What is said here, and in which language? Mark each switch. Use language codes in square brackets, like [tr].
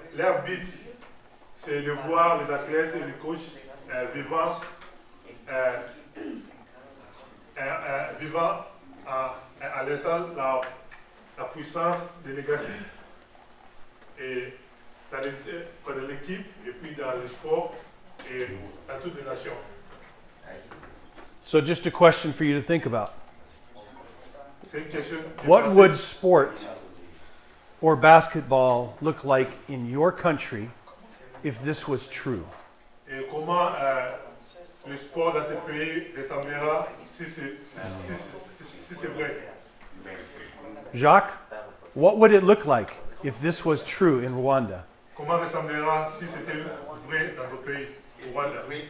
[fr] Leur but, c'est de voir les athlètes et les coachs vivant à l'essence de la puissance de legacy et dans l'équipe et puis dans le sport et dans toutes les nations. [en] So just a question for you to think about. [fr] C'est une question. [en] What would sport or basketball look like in your country if this was true? [fr] Et comment le sport dans ton pays ressemblera si c'est vrai? [en] Jacques, what would it look like if this was true in Rwanda? [fr] Comment ressemblera si c'était vrai dans ton pays, Rwanda?